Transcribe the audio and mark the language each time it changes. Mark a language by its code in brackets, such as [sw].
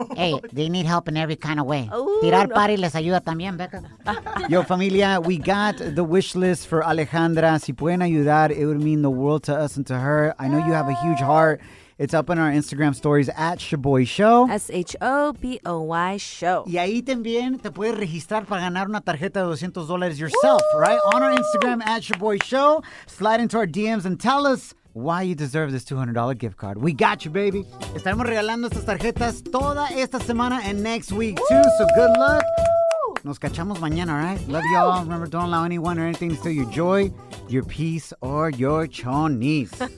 [en] Hey, they need help in every kind of way. Ooh, [es] tirar party les ayuda también, Becca. [en] Yo, familia, we got the wish list for Alejandra. [es] Si pueden ayudar, [en] it would mean the world to us and to her. I know you have a huge heart. It's up on our Instagram stories at Shaboy Show. S-H-O-B-O-Y Show. [es] Y ahí también te puedes registrar para ganar una tarjeta de $200 [en] yourself, Ooh. Right? On our Instagram at Shaboy Show. Slide into our DMs and tell us why you deserve this $200 gift card. We got you, baby. [es] Estaremos regalando estas tarjetas toda esta semana [en] and next week, Ooh. Too. So good luck. [es] Nos cachamos mañana, [en] all right? Love y'all. Remember, don't allow anyone or anything to steal your joy, your peace, or your chonies.